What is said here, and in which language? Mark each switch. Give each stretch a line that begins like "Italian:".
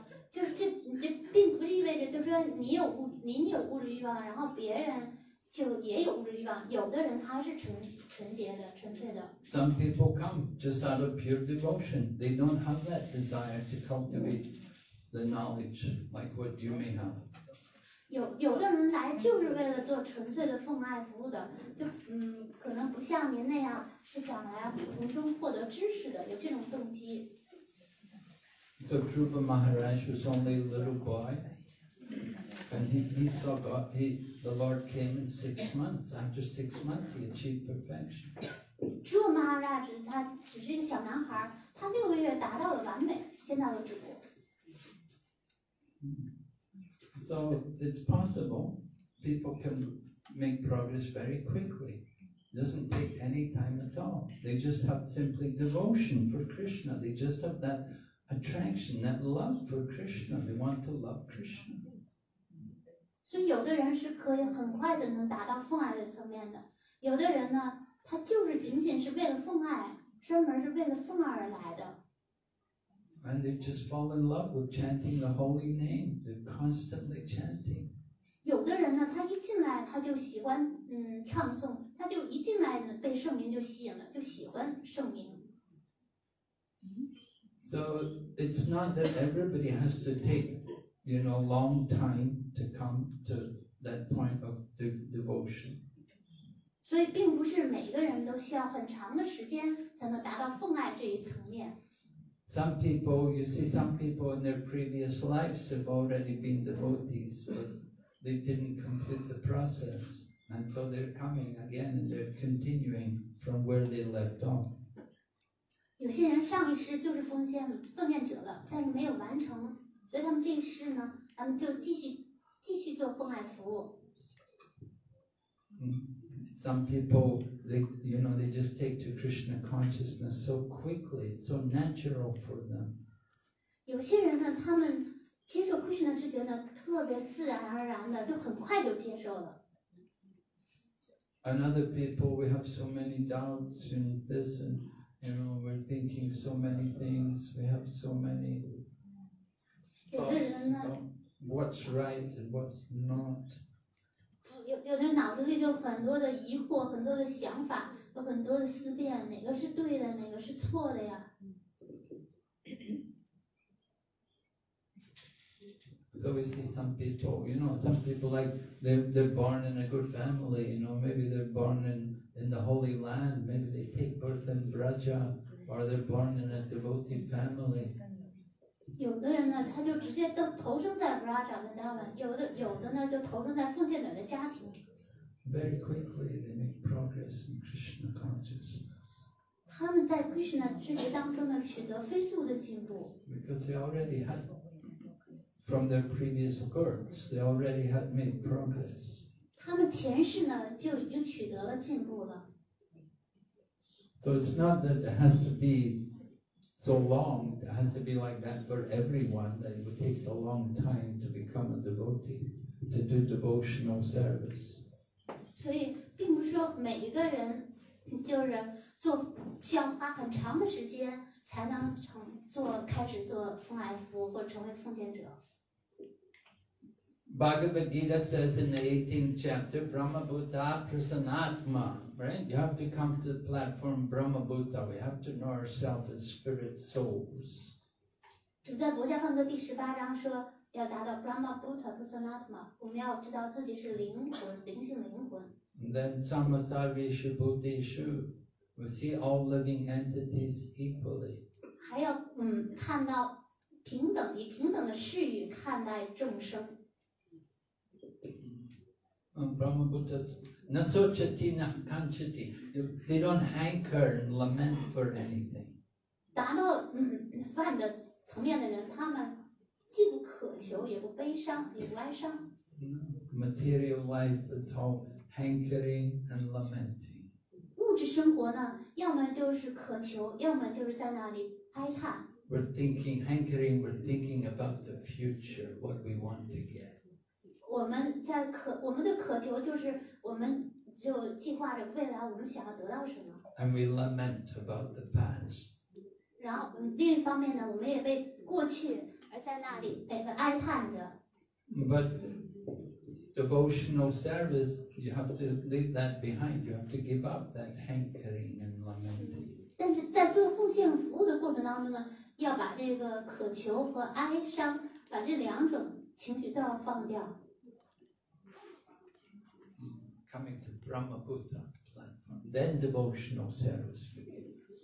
Chinese: 就是这并不意味着就是说您有物质欲望，然后别人就也有物质欲望。有的人他是纯洁的。
English: Some people come just out of pure devotion. They don't have that desire to cultivate the knowledge like what you may have.
Chinese: 有的人来就是为了做纯粹的奉爱服务的，可能不像您那样是想来从中获得知识的，有这种动机。
English: So Dhruva Maharaj was only a little boy, and he saw God. The Lord came in 6 months. After 6 months, he achieved perfection. Dhruva Maharaj, he was just a little boy. He reached perfection in 6 months. Now he is the Lord. So it's possible people can make progress very quickly. It doesn't take any time at all. They just have simply devotion for Krishna. They just have that attraction, that love for Krishna. They want to love Krishna.
Chinese: 所以有的人是可以很快的能达到奉爱的层面的，有的人呢，他就是仅仅是为了奉爱，专门是为了奉爱而来的。
English: And they just fall in love with chanting the holy name. They're constantly chanting.
Chinese: 有的人呢，他一进来他就喜欢唱诵，他就一进来呢被圣名就吸引了，就喜欢圣名。
English: So it's not that everybody has to take. You know, long time to come to that point of devotion.
Chinese: So, 并不是每个人都需要很长的时间才能达到奉爱这一层面。
English: Some people, you see, some people in their previous lives have already been devotees, but they didn't complete the process, and so they're coming again, and they're continuing from where they left off.
Chinese: 有些人上一世就是奉献者了，但是没有完成，所以他们这一世呢，他们就继续做奉爱服务。
English: Some people, they just take to Krishna consciousness so quickly, so natural for them.
Chinese: 有些人呢，他们接受 Krishna 之觉呢，特别自然而然的，就很快就接受了。
English: And other people, we have so many doubts in this, and we're thinking so many things. We have so many thoughts about what's right and what's not.
Chinese: 有的人脑子里就很多的疑惑，很多的想法，有很多的思辨，哪个是对的，哪个是错的呀？
English: So we see some people, some people like they're born in a good family, maybe they're born in the holy land, maybe they take birth in Braja, or they're born in a devotee family.
Chinese: 有的人呢，他就直接都投生在 Braja 的家门，有的呢就投生在奉献者的家庭。
English: Very quickly they make progress in Krishna consciousness.
Chinese: 他们在 Krishna 知觉当中呢取得飞速的进步。
English: Because they already had. From their previous births, they already had made progress.
Chinese: 他们前世呢就已经取得了进步了。
English: So it's not that it has to be so long. It has to be like that for everyone. That it takes a long time to become a devotee, to do devotional service.
Chinese: 所以并不是说每一个人就是做需要花很长的时间才能开始做奉爱服务或成为奉献者。
English: Bhagavad Gita says in the 18th chapter,
Sanskrit: Brahma Bhuta Prasanatma,
English: right? You have to come to the platform Brahma Bhuta. We have to know ourselves as spirit souls.
Chinese: 主在薄伽梵歌第十八章说，要达到
Sanskrit: Brahma Bhuta Prasanatma，
Chinese: 我们要知道自己是灵魂，灵性灵魂。
English: And then
Sanskrit: Samasarveshu Bhuteshu,
English: we see all living entities equally.
Chinese: 还要看到平等，以平等的视野看待众生。
Sanskrit: Brahma Bhuta, nasochati na kanchati.
English: They don't hanker and lament for anything.
Chinese: 达到梵的层面的人，他们既不渴求，也不悲伤，也不哀伤。
English: Material life is all hankering and lamenting.
Chinese: 物质生活呢，要么就是渴求，要么就是在那里哀叹。
English: We're thinking hankering. We're thinking about the future, what we want to get.
Chinese: 我们的渴求就是我们就计划着未来我们想要得到什么。
English: And we lament about the past.
Chinese: 然后另一方面呢，我们也为过去而在那里哀叹着。
English: But devotional service, you have to leave that behind. You have to give up that hankering and lamenting.
Chinese: 但是在做奉献服务的过程当中呢，要把这个渴求和哀伤，把这两种情绪都要放掉。
English: Coming to Brahma Bhuta platform, then devotional service begins.